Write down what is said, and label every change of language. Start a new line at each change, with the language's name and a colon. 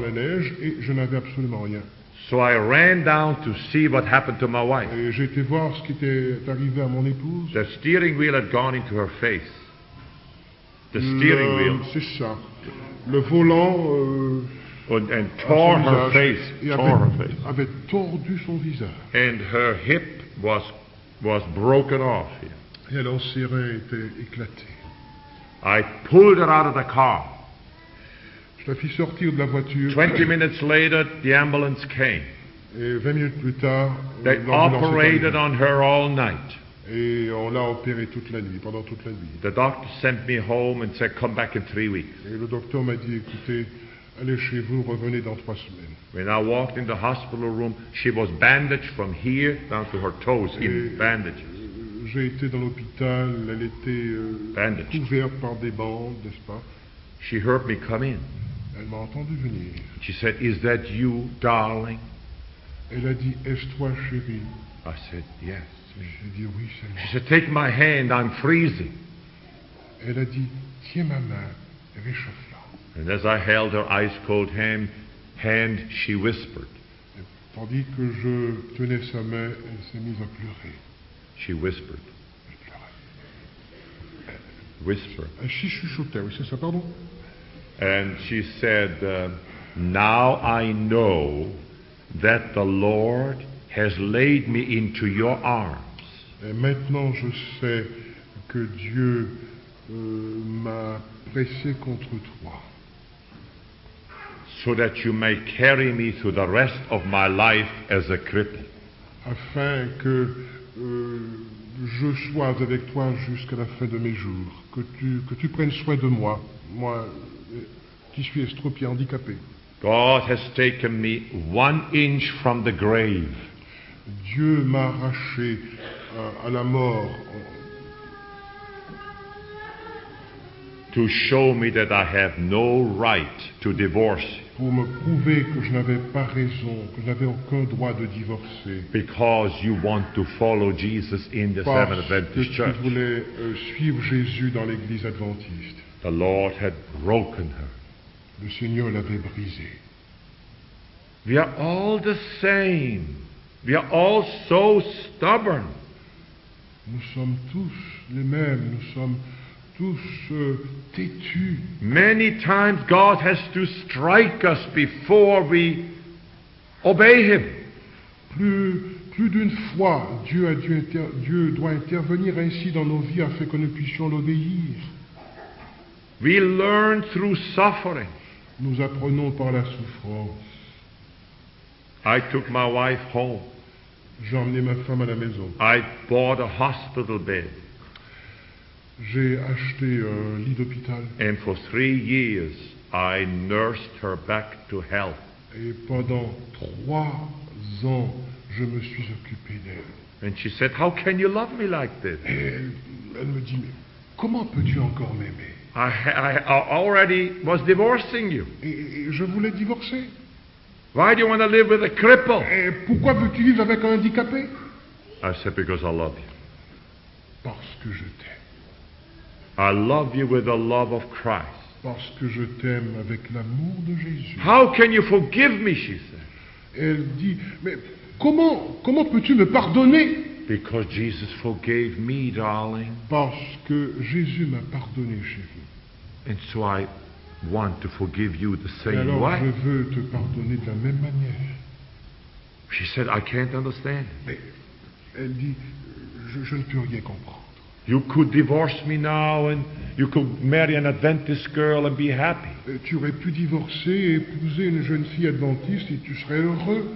French: Par la neige, et je n'avais absolument rien.
English: So I ran down to see what happened to my wife.
French: Et j'ai été voir ce qui était arrivé à mon épouse.
English: The steering wheel had gone into her face. The steering wheel.
French: C'est ça. Le volant...
English: And tore her face.
French: Avait tordu son visage.
English: And her hip was broken off.
French: Et alors ses reins étaient éclatés.
English: I pulled her out of the car.
French: Je la fis sortir de la voiture.
English: 20 minutes later, the ambulance came.
French: Et 20 minutes plus tard,
English: they operated on her all night.
French: Et on l'a opéré toute la nuit, pendant toute la nuit.
English: The doctor sent me home and said, "Come back in 3 weeks."
French: Et le docteur m'a dit, écoutez. Allez chez vous, revenez dans 3 semaines.
English: When I walked in the hospital room, she was bandaged from here down to her toes in bandages.
French: J'ai été dans l'hôpital, elle était
English: bandaged.
French: Couverte par des bandes, n'est-ce pas?
English: She heard me come in.
French: Elle m'a entendu venir.
English: She said, "Is that you, darling?"
French: Elle a dit, "Est-ce toi, chérie?"
English: I said, "Yes."
French: J'ai dit, "Oui, c'est moi."
English: She said, "Take my hand, I'm freezing."
French: Elle a dit, "Tiens ma main, réchauffe."
English: And as I held her ice-cold hand, she whispered.
French: Tandis que je tenais sa main, elle s'est mise à pleurer.
English: She whispered.
French: Elle pleurait.
English: Whisper. She
French: chuchotait, oui, c'est ça, pardon.
English: And she said, "Now I know that the Lord has laid me into your arms."
French: Et maintenant je sais que Dieu m'a pressé contre toi.
English: So that you may carry me through the rest of my life as a cripple.
French: Afin que je sois avec toi jusqu'à la fin de mes jours, que tu prennes soin de moi, moi qui suis estropié, handicapé.
English: God has taken me 1 inch from the grave.
French: Dieu m'a arraché à la mort.
English: To show me that I have no right to divorce.
French: Pour me prouver que je n'avais pas raison, que je n'avais aucun droit de divorcer.
English: Because you want to follow Jesus in the
French: Parce
English: Seventh Adventist Church.
French: Parce que tu voulais suivre Jésus dans l'Église adventiste.
English: The Lord had broken her.
French: Le Seigneur l'avait brisée.
English: We are all the same. We are all so stubborn.
French: Nous sommes tous les mêmes. Nous sommes tous têtus.
English: Many times God has to strike us before we obey Him.
French: Plus d'une fois, Dieu doit intervenir ainsi dans nos vies afin que nous puissions l'obéir.
English: We learn through suffering.
French: Nous apprenons par la souffrance.
English: I took my wife home.
French: J'ai emmené ma femme à la maison.
English: I bought a hospital bed.
French: J'ai acheté un lit d'hôpital.
English: And for 3 years, I nursed her back to health.
French: Et pendant 3 ans, je me suis occupé d'elle.
English: And she said, "How can you love me like this?"
French: Elle me dit, comment peux-tu encore m'aimer?
English: I already was divorcing you.
French: Et je voulais divorcer.
English: Why do you want to live with a cripple?
French: Et pourquoi veux-tu vivre avec un handicapé?
English: I said, because I love you.
French: Parce que je t'aime.
English: I love you with the love of Christ.
French: Parce que je t'aime avec l'amour de Jésus.
English: How can you forgive me, she said.
French: Elle dit, mais comment peux-tu me pardonner?
English: Because Jesus forgave me, darling.
French: Parce que Jésus m'a pardonné, chérie.
English: And so I want to forgive you the same
French: alors,
English: way.
French: Je veux te pardonner de la même manière.
English: She said, I can't understand.
French: Mais elle dit, je ne peux rien comprendre.
English: You could divorce me now and you could marry an Adventist girl and be happy.
French: Tu aurais pu divorcer et épouser une jeune fille adventiste et tu serais heureux.